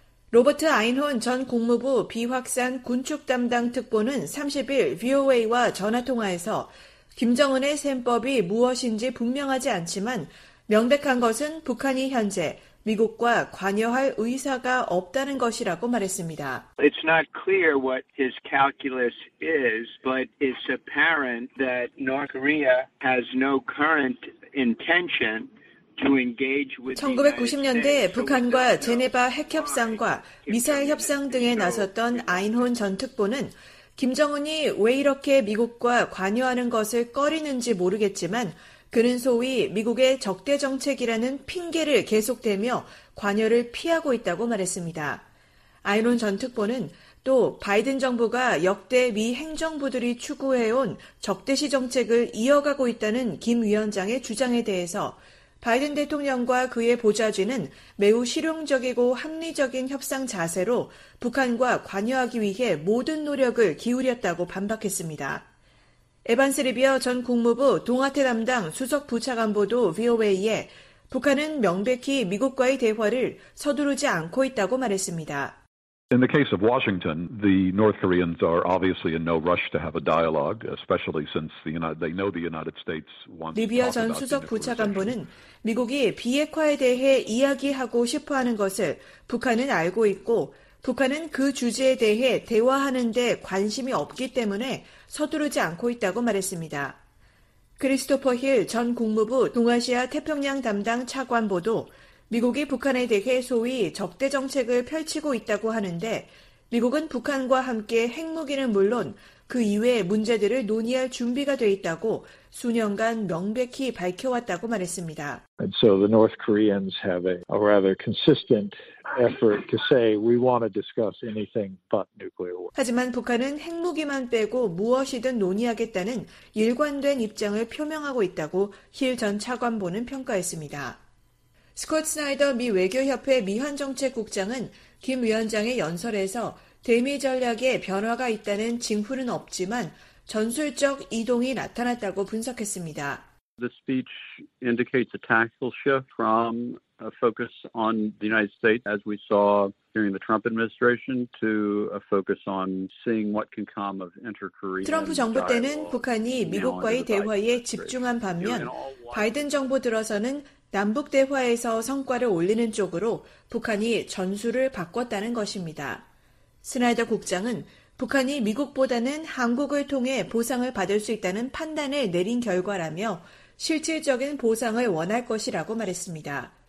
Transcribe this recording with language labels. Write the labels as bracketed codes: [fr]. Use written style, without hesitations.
[ko] 로버트 아인혼 전 국무부 비확산 군축 담당 특보는 30일 VOA와 전화통화에서 김정은의 셈법이 무엇인지 분명하지 않지만 명백한 것은 북한이 현재 미국과 관여할 의사가 없다는 것이라고 말했습니다. [en] It's not clear what his calculus is, but it's apparent that North Korea has no current intention to engage with the United States. [ko] 1990년대 북한과 제네바 핵협상과 미사일 협상 등에 나섰던 아인혼 전 특보는 김정은이 왜 이렇게 미국과 관여하는 것을 꺼리는지 모르겠지만 그는 소위 미국의 적대 정책이라는 핑계를 계속 대며 관여를 피하고 있다고 말했습니다. 아이론 전 특보는 또 바이든 정부가 역대 미 행정부들이 추구해온 적대시 정책을 이어가고 있다는 김 위원장의 주장에 대해서 바이든 대통령과 그의 보좌진은 매우 실용적이고 합리적인 협상 자세로 북한과 관여하기 위해 모든 노력을 기울였다고 반박했습니다. 에반스 리비어 전 국무부 동아태 담당 수석 부차관보도 VOA에 북한은 명백히 미국과의 대화를 서두르지 않고 있다고 말했습니다. [en] In the case of Washington, the North Koreans are obviously in no rush to have a dialogue, especially since they know the United States wants. [ko] 리비어 전 수석 부차관보는 미국이 비핵화에 대해 이야기하고 싶어하는 것을 북한은 알고 있고. 북한은 그 주제에 대해 대화하는 데 관심이 없기 때문에 서두르지 않고 있다고 말했습니다. 크리스토퍼 힐 전 국무부 동아시아 태평양 담당 차관보도 미국이 북한에 대해 소위 적대 정책을 펼치고 있다고 하는데 미국은 북한과 함께 핵무기는 물론 그 이외의 문제들을 논의할 준비가 돼 있다고 수년간 명백히 밝혀왔다고 말했습니다. [en] And so the North Koreans have a rather consistent effort to say we want to discuss anything but nuclear war. [ko] 하지만 북한은 핵무기만 빼고 무엇이든 논의하겠다는 일관된 입장을 표명하고 있다고 힐 전 차관보는 평가했습니다. 스콧 스나이더 미 외교협회 미한정책국장은 김 위원장의 연설에서 대미 전략에 변화가 있다는 징후는 없지만 전술적 이동이 나타났다고 분석했습니다. [en] The speech indicates a tactical shift from a focus on the United States, as we saw during the Trump administration, to a focus on seeing what can come of inter-Korean. [ko] 트럼프 정부 때는 북한이 미국과의 대화에 집중한 반면 바이든 정부 들어서는 남북 대화에서 성과를 올리는 쪽으로 북한이 전술을 바꿨다는 것입니다. 스나이더 국장은 북한이 미국보다는 한국을 통해 보상을 받을 수 있다는 판단을 내린 결과라며 실질적인 보상을 원할 것이라고 말했습니다.